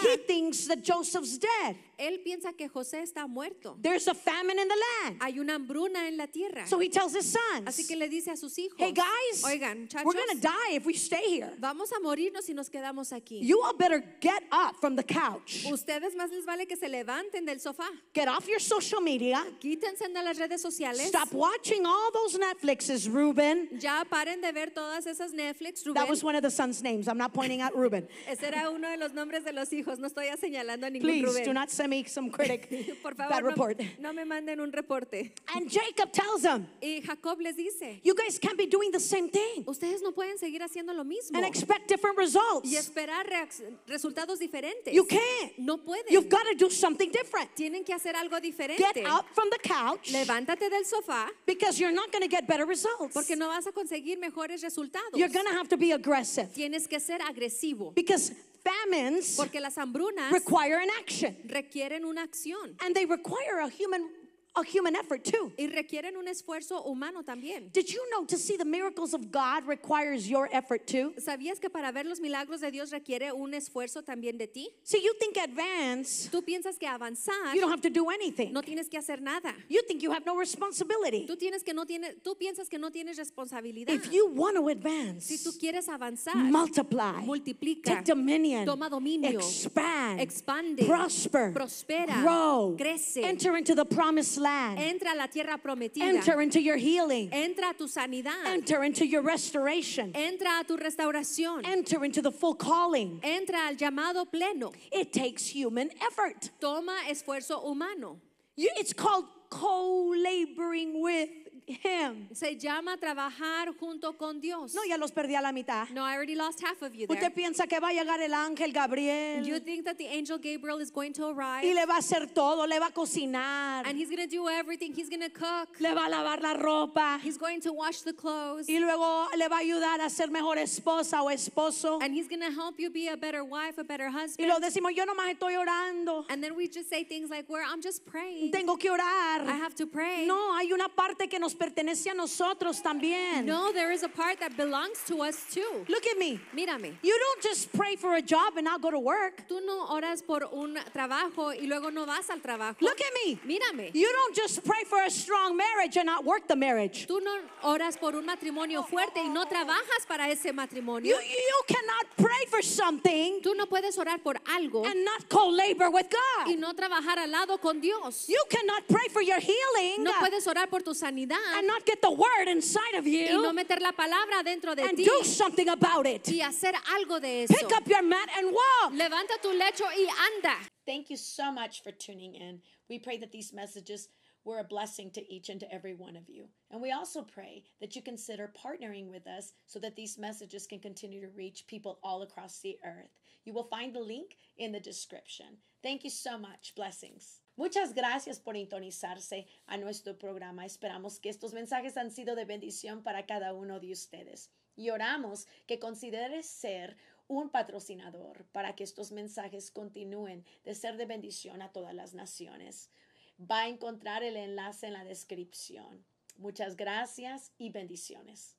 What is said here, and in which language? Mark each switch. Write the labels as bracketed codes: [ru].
[en] he thinks that Joseph's dead. [es] Él piensa que José está muerto. [en] There's a famine in the land. [es] Hay una hambruna en la tierra. [en] So he tells his sons, [es] así que le dice a sus hijos, [en] hey guys, [es] oigan, chachos, [en] we're going to die if we stay here. [es] Vamos a morirnos si nos quedamos aquí. [en] You all better get up from the couch. [es] Ustedes más les vale que se levanten del sofá. [en] Get off your social media. [es] Quítense de las redes sociales. [en] Stop watching all those Netflixes, Reuben. [es] Ya paren de ver todas esas Netflix, Reuben. [en] That was one of the sons' names. I'm not pointing at Reuben. [es] Ese era uno de los nombres de los hijos. No estoy señalando a ningún [en] Please, Reuben. Please, do not send me some critic. [es] Por favor, [en] bad report. [es] No me manden un reporte. [en] And Jacob tells them, [es] y Jacob les dice, [en] you guys can't be doing the same thing. [es] Ustedes no pueden seguir haciendo lo mismo. [en] And expect different results. [es] Y esperar resultados diferentes. [en] You can't. [es] No pueden. [en] You've got to do something different. [es] Tienen que hacer algo diferente. [en] Get up from the couch. [es] Levántate del sofá. [en] Because you're not going to get better results. [es] Porque no vas a conseguir mejores resultados. [en] You're going to have to be aggressive. [es] Tienes que ser agresivo. [en] Because famines, [es] porque las hambrunas, [en] require an action. [es] Requieren una acción. [en] And they require a human a human effort too. [es] Y requieren un esfuerzo humano también. [en] Did you know to see the miracles of God requires your effort too? [es] ¿Sabías que para ver los milagros de Dios requiere un esfuerzo también de ti? [en] So you think advance. [es] Tú piensas que avanzar. [en] You don't have to do anything. [es] No tienes que hacer nada. [en] You think you have no responsibility. [es] Tú piensas que no tienes responsabilidad. [en] If you want to advance. [es] Si tú quieres avanzar. [en] Multiply. [es] Multiplica. [en] Take dominion. [es] Toma dominio. [en] Expand. [es] Expande. [en] Prosper. [es] Prospera. [en] Grow. [es] Crece. [en] Enter into the promised land. [es] Entra a la tierra prometida. [en] Enter into your healing. [es] Entra a tu sanidad. [en] Enter into your restoration. [es] Entra a tu restauración. [en] Enter into the full calling. [es] Entra al llamado pleno. [en] It takes human effort. [es] Toma esfuerzo humano. [en] It's called co-laboring with him. [es] Se llama trabajar junto con Dios. No, ya los perdí a la mitad. [en] No, I already lost half of you there. [es] ¿Usted piensa que va a llegar el ángel Gabriel? [en] You think that the angel Gabriel is going to arrive? [es] Y le va a hacer todo, le va a cocinar. [en] And he's going to do everything. He's going to cook. [es] Le va a lavar la ropa. [en] He's going to wash the clothes. [es] Y luego le va a ayudar a ser mejor esposa o esposo. [en] And he's going to help you be a better wife, a better husband. [es] Y lo decimos, yo nomás estoy orando. [en] And then we just say things like, "Well, I'm just praying." [es] Tengo que orar. [en] I have to pray. [es] No, hay una parte que nos pertenece a nosotros también. [en] No, there is a part that belongs to us too. Look at me. [es] Mírame. [en] You don't just pray for a job and not go to work. [es] Tú no oras por un trabajo y luego no vas al trabajo. [en] Look at me. [es] Mírame. [en] You don't just pray for a strong marriage and not work the marriage. [es] Tú no oras por un matrimonio fuerte y no trabajas para ese matrimonio. [en] You cannot pray for something. [es] Tú no puedes orar por algo. [en] And not co-labor with God. [es] Y no trabajar al lado con Dios. [en] You cannot pray for your healing. [es] No puedes orar por tu sanidad. [en] And not get the word inside of you. [es] Y no meter la palabra dentro de [en] and [es] ti. [en] Do something about it. [es] Y hacer algo de eso. [en] Pick up your mat and walk. [es] Levanta tu lecho y anda. [en] Thank you so much for tuning in. We pray that these messages were a blessing to each and to every one of you. And we also pray that you consider partnering with us so that these messages can continue to reach people all across the earth. You will find the link in the description. Thank you so much. Blessings. [es] Muchas gracias por sintonizarse a nuestro programa. Esperamos que estos mensajes han sido de bendición para cada uno de ustedes. Y oramos que consideres ser un patrocinador para que estos mensajes continúen de ser de bendición a todas las naciones. Va a encontrar el enlace en la descripción. Muchas gracias y bendiciones.